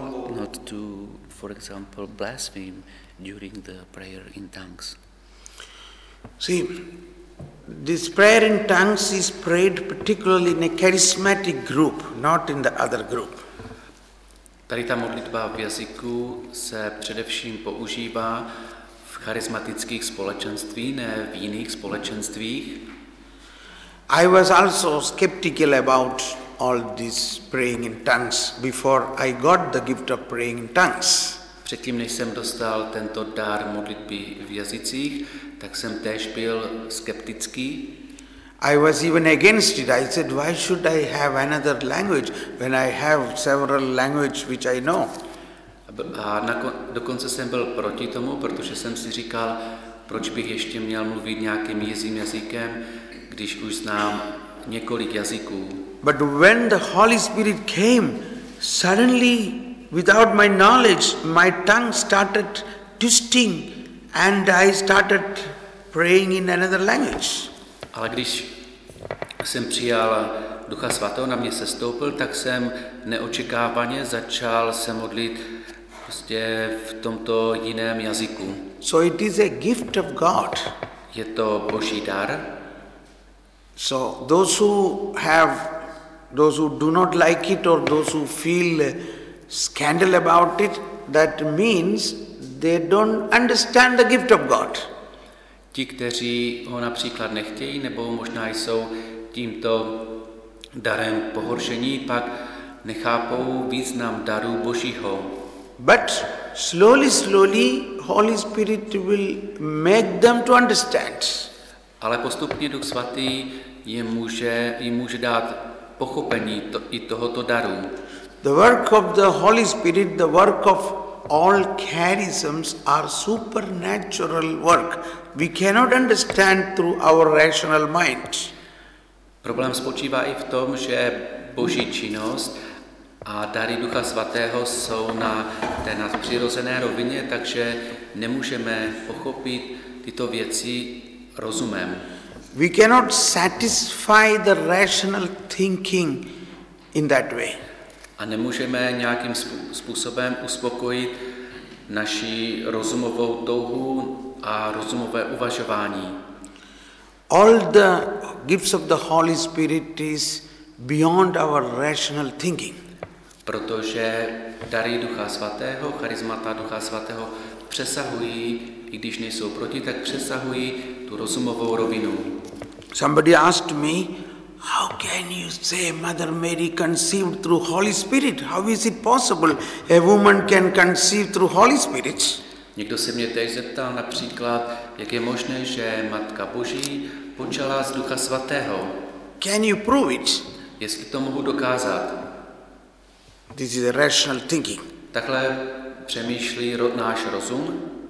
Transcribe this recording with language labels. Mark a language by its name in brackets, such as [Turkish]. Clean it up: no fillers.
[English] Not to, for example, blaspheme during the prayer in tongues. See. This prayer in tongues is prayed particularly in a charismatic group, not in the other group. [Czech] Tady ta modlitba v jazyku se především používá v charismatických společenstvích, ne v jiných společenstvích. [English] I was also skeptical about all this praying in tongues before I got the gift of praying in tongues. [Czech] Předtím, než jsem dostal tento dar modlitby v jazycích, tak jsem též byl skeptický. [English] I was even against it. I said, why should I have another language when I have several languages which I know? [Czech] A dokonce jsem byl proti tomu, protože jsem si říkal, proč bych ještě měl mluvit nějakým jiným jazykem, když už znám několik jazyků. [English] But when the Holy Spirit came, suddenly, without my knowledge, my tongue started twisting. And I started praying in another language. [Czech] Ale když jsem přijal Ducha Svatého, na mě se stoupil, tak jsem neočekávaně začal se modlit prostě v tomto jiném jazyku. [English] So it is a gift of God. [Czech] Je to Boží dar. [English] So those who have those who do not like it or those who feel scandal about it, that means they don't understand the gift of God. [Czech] Ti, kteří ho například nechtějí, nebo možná jsou tímto darem pohoršení, pak nechápou význam daru Božího. [English] But slowly, slowly, Holy Spirit will make them to understand. [Czech] Ale postupně Duch Svatý jim může dát pochopení to, i tohoto daru. [English] The work of the Holy Spirit, the work of all charisms are supernatural work. We cannot understand through our rational mind. [Czech] Problém spočívá i v tom, že Boží činnost a dary Ducha Svatého jsou na té nadpřirozené rovině, takže nemůžeme pochopit tyto věci rozumem. [English] We cannot satisfy the rational thinking in that way. [Czech] A nemůžeme nějakým způsobem uspokojit naši rozumovou touhu a rozumové uvažování. [English] All the gifts of the Holy Spirit is beyond our rational thinking. [Czech] Protože dary Ducha Svatého, charismata Ducha Svatého přesahují, i když nejsou proti, tak přesahují tu rozumovou rovinu. [English] Somebody asked me, how can you say Mother Mary conceived through Holy Spirit? How is it possible a woman can conceive through Holy Spirit? [Czech] Někdo se mě teď zeptal například, jak je možné, že Matka Boží počala z Ducha Svatého. [English] Can you prove it? [Czech] Jestli to mohu dokázat. [English] This is a rational thinking. [Czech] Takhle přemýšlí náš rozum.